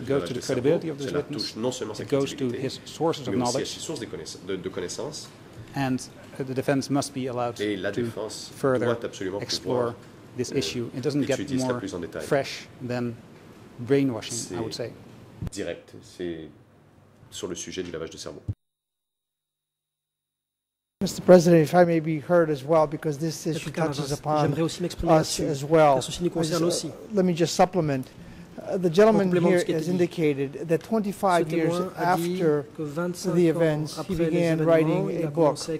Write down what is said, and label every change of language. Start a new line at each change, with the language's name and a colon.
English: it goes to the credibility of this witness.
French: Non seulement
English: it goes to his sources of knowledge.
French: Aussi à ses sources de connaissances.
English: And the defense must be allowed to further explore this issue. It doesn't get more fresh than brainwashing, I would say. Direct.
French: C'est sur le sujet du lavage de cerveau.
English: Mr. President, if I may be heard as well, because this issue touches upon us as well. Let me just supplement. The gentleman here has indicated that 25 years after the events, he began writing a book.